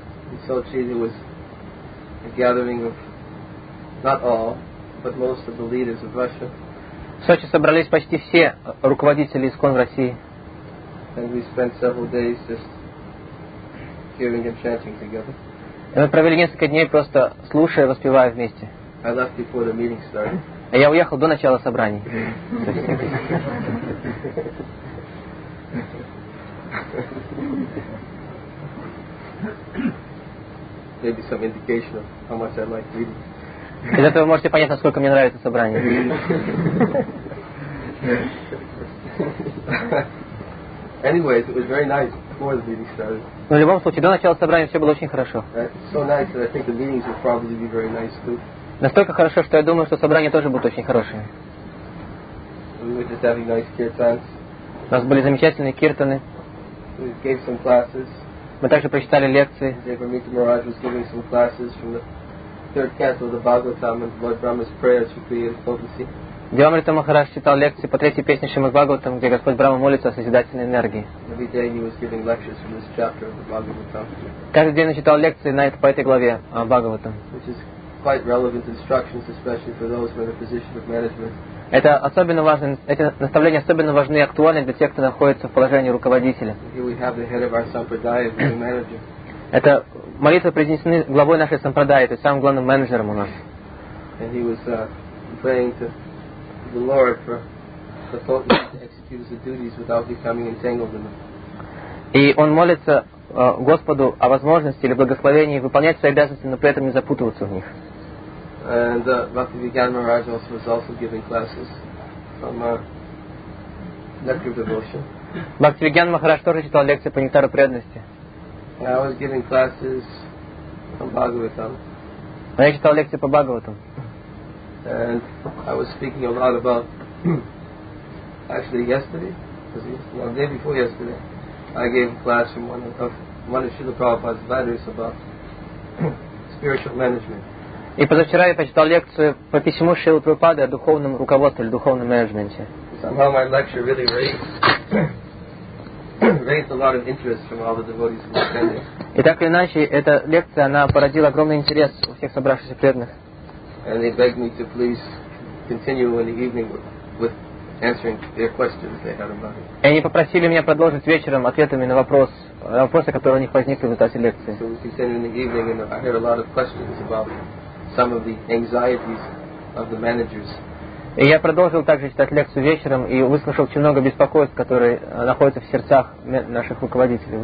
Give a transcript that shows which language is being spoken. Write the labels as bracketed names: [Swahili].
[English] In Sochi there was a gathering of not all, but most of the leaders of Russia. [Russian] В Сочи собрались почти все руководители ИСККОН в России. [English] And we spent several days just hearing and chanting together. [Russian] И мы провели несколько дней просто слушая, воспевая вместе. [English] I left before the meeting started. [Russian] А я уехал до начала собраний. [English] Maybe some indication of how much I like reading. [Russian] Из этого вы можете понять, насколько мне нравится собрание. [English] Anyway, it was very nice before the meeting started. [Russian] Но в любом случае, до начала собрания все было очень хорошо. [English] So nice that I think the meetings will probably be very nice too. [Russian] Настолько хорошо, что я думаю, что собрания тоже будут очень хорошими. [English] We were just having nice kirtans. [Russian] У нас были замечательные киртаны. [English] We gave some classes. [Russian] Мы также прочитали лекции. [English] Devamita Maharaj was giving some classes from the third canto of the Bhagavatam and Lord Brahma's prayers for creative potency. [Russian] Devamrita Maharaj читал лекции по третьей песне Шримад Бхагаватам, где Господь Брахма молится о созидательной энергии. [English] Every day he was giving lectures from this chapter of the Bhagavatam. [Russian] Каждый день он читал лекции по этой главе о Бхагаватам. [English] Which is quite relevant instructions, especially for those who are in a position of management. [Russian] Это особенно важно, эти наставления особенно важны и актуальны для тех, кто находится в положении руководителя. [English] Here we have the head of our Sampradaya, the manager. [Russian] Это молитвы произнесены главой нашей Сампрадаи, то есть самым главным менеджером у нас. [English] And he was praying to the Lord for the potency to execute his duties without becoming entangled in them. [Russian] И он молится Господу о возможности или благословении выполнять свои обязанности, но при этом не запутываться в них. [English] And Bhakti Vigyan Maharaj also was also giving classes from Nectar Devotion. [Russian] Bhakti Vigyan Maharaj тоже читал лекции по нектару преданности. [English] I was giving classes from Bhagavatam. [Russian] Я читал лекции по Бхагаватам. [English] And I was speaking a lot about actually yesterday, was it? No, the day before yesterday, I gave a class from one of Srila Prabhupada's letters about spiritual management. [Russian] И позавчера я прочитал лекцию по письму Шрилы Прабхупады о духовном руководстве или духовном менеджменте. [English] Somehow my lecture really raised a lot of interest from all the devotees who attended. [Russian] И так или иначе, эта лекция, она породила огромный интерес у всех собравшихся преданных. [English] And they begged me to please continue in the evening with answering their questions they had about it. [Russian] И они попросили меня продолжить вечером ответами на вопросы, которые у них возникли в результате лекции. [English] So we continued in the evening and I heard a lot of questions about it. Some of the anxieties of the managers. [Russian] И я продолжил также читать лекцию вечером и выслушал очень много беспокойств, которые находятся в сердцах наших руководителей.